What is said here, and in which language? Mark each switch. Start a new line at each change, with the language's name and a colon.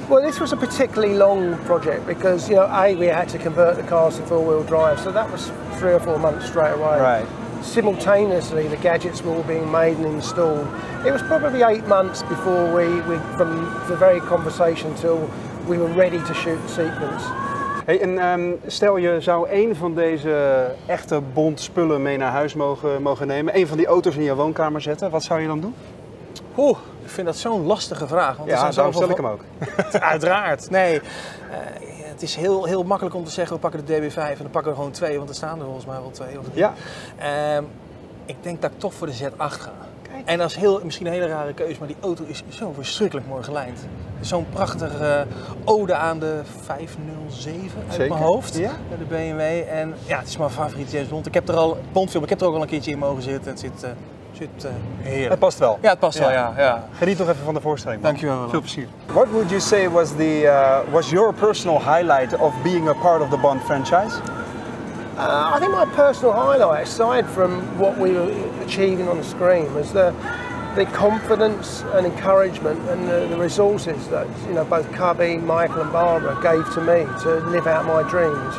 English: Well, this was a particularly long project because, you know, A, we had to convert the cars to four-wheel drive. So that was 3 or 4 months straight away. Right. Simultaneously, the gadgets were all being made and installed. It was probably 8 months before we from the very conversation till we were ready to shoot the sequence.
Dutch: Hey, en stel je zou één van deze echte Bond spullen mee naar huis mogen nemen, één van die auto's in je woonkamer zetten, wat zou je dan doen? Oeh, ik vind dat zo'n lastige vraag. Want ja, daarom stel ik hem ook. Uiteraard, nee. Het is heel makkelijk om te zeggen, we pakken de DB5 en dan pakken we gewoon twee, want er staan er volgens mij wel twee of drie. Ja. Ik denk dat ik toch voor de Z8 ga. En dat is misschien een hele rare keuze, maar die auto is zo verschrikkelijk mooi gelijnd. Zo'n prachtige ode aan de 507 uit Zeker. Mijn hoofd, ja? De BMW. En ja, het is mijn favoriete James Bond. Ik heb er al een keertje in mogen zitten. Het zit Zit heerlijk. Het past wel. Ja, het past wel. Ja. Geniet nog even van de voorstelling. Dankjewel. Veel plezier.
English: What would you say was the was your personal highlight of being a part of the Bond franchise? I think my personal highlight, aside from what we were achieving on the screen, was the confidence and encouragement and the resources that, you know, both Cubby, Michael and Barbara gave to me to live out my dreams.